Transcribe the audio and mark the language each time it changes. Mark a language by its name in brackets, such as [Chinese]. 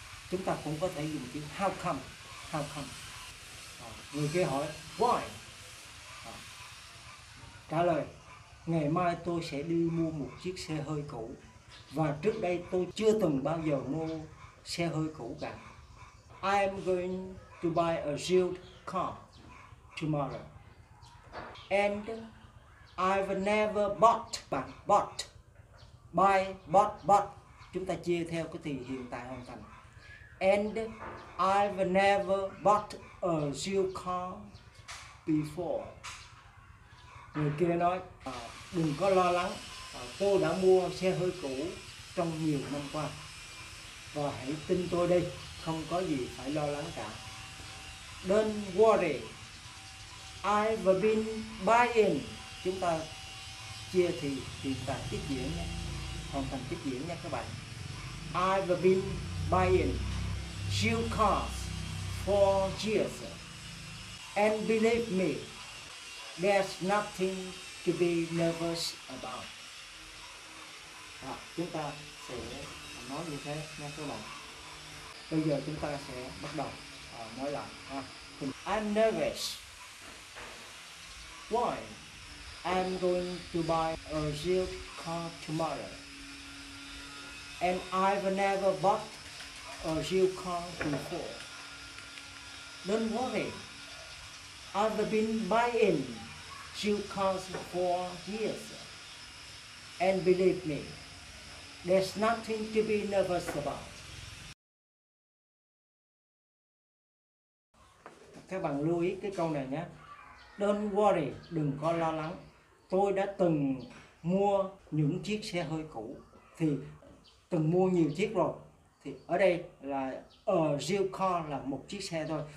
[Vietnamese] Chúng ta cũng có thể dùng chữ how come. How come. Người kia hỏi why. Trả lời: ngày mai tôi sẽ đi mua một chiếc xe hơi cũ. Và trước đây tôi chưa từng bao giờ mua xe hơi cũ cả. [English] I'm going to buy a used car tomorrow. And I've never bought, but bought, buy, bought, bought. [Vietnamese] Chúng ta chia theo cái từ hiện tại hoàn thành. [English] And I've never bought a used car before. [Vietnamese] Người kia nói, đừng có lo lắng, cô đã mua xe hơi cũ trong nhiều năm qua. Và hãy tin tôi đi, không có gì phải lo lắng cả. [English] Don't worry, I've been buying. [Vietnamese] Chúng ta chia thì hiện tại tiếp diễn nhé, hoàn thành tiếp diễn nha các bạn. [English] I've been buying new cars for years. And believe me, there's nothing to be nervous about. [Vietnamese] Chúng ta sẽ nói như thế nha các bạn. Bây giờ chúng ta sẽ bắt đầu nói lại ha. [English] I'm nervous. Why? I'm going to buy a real car tomorrow. And I've never bought a real car before. Don't worry. I've been buying real cars for years. And believe me, there's nothing to be nervous about. [Vietnamese] Các bạn lưu ý cái câu này nhé. [English] Don't worry, [Vietnamese] đừng có lo lắng. Tôi đã từng mua những chiếc xe hơi cũ, thì từng mua nhiều chiếc rồi. Thì ở đây là a real car là một chiếc xe thôi.